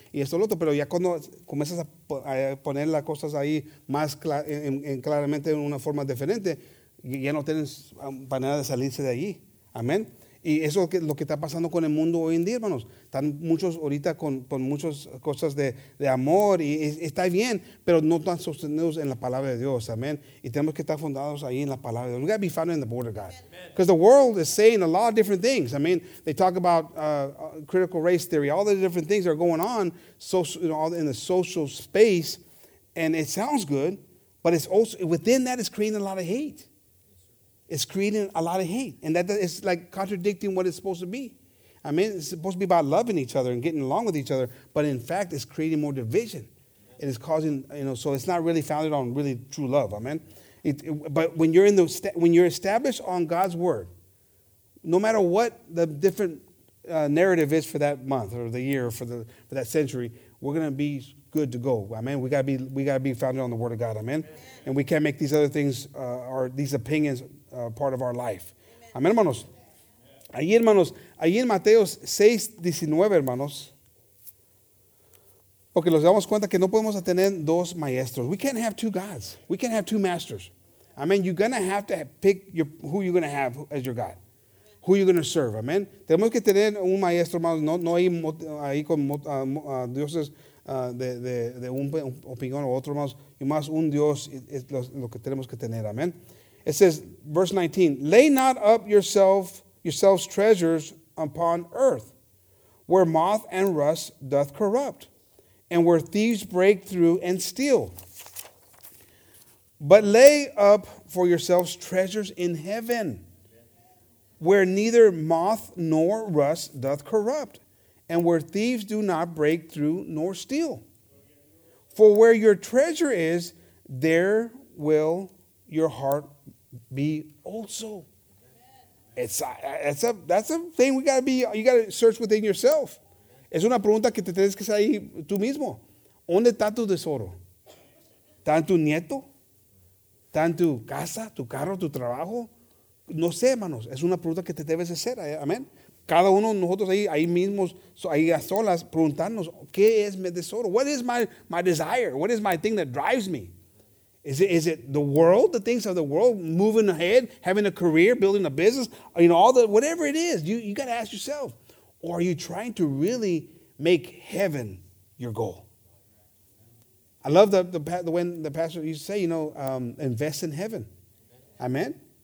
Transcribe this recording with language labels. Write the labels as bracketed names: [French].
[Spanish] Y esto es lo otro, pero ya cuando comienzas a poner las cosas ahí más claramente en una forma diferente, ya no tienes manera de salirse de allí. Amén. Y eso es lo que está pasando con el mundo hoy en día, hermanos. Están muchos ahorita con muchas cosas de amor y está bien, pero no están sostenidos en la palabra de Dios. Amén. Y tenemos que estar fundados ahí en la palabra de Dios. [English] We got to be founded in the word of God. Because the world is saying a lot of different things. I mean, they talk about critical race theory, all the different things that are going on in the social space. And it sounds good, but it's also within that is creating a lot of hate. It's creating a lot of hate. And that is like contradicting what it's supposed to be. I mean, it's supposed to be about loving each other and getting along with each other. But in fact, it's creating more division. And it's causing, you know, so it's not really founded on really true love. Amen. But when you're in the when you're established on God's word, no matter what the different narrative is for that month or the year or for that century, we're going to be good to go. Amen. We got to be founded on the word of God. Amen. And we can't make these other things or these opinions part of our life. [Spanish] Amén, hermanos. Ahí, hermanos, ahí en Mateo 6:19, hermanos. Porque nos damos cuenta que no podemos tener dos maestros. [English] We can't have two gods. We can't have two masters. Amén. You're going to have pick who you're going to have as your God. Who you're going to serve. [Spanish] Amén. Tenemos que tener un maestro, hermanos. No hay ahí con dioses de un opinión o otro, hermanos. Y más un Dios es lo que tenemos que tener. Amén. [English] It says, verse 19, lay not up yourselves treasures upon earth, where moth and rust doth corrupt, and where thieves break through and steal. But lay up for yourselves treasures in heaven, where neither moth nor rust doth corrupt, and where thieves do not break through nor steal. For where your treasure is, there will your heart be also. That's a thing we got to be. You got to search within yourself. [Spanish] Es una pregunta que te tienes que hacer tú mismo. ¿Dónde está tu tesoro? ¿Está en tu nieto? ¿Está en tu casa, tu carro, tu trabajo? No sé, hermanos. Es una pregunta que te debes hacer. Amén. Cada uno de nosotros ahí mismos, ahí a solas, preguntarnos, ¿qué es mi tesoro? [English] What is my desire? What is my thing that drives me? Is it the world, the things of the world, moving ahead, having a career, building a business, you know, all the whatever it is, you got to ask yourself, or are you trying to really make heaven your goal? I love the when the pastor used to say, you know, invest in heaven, amen.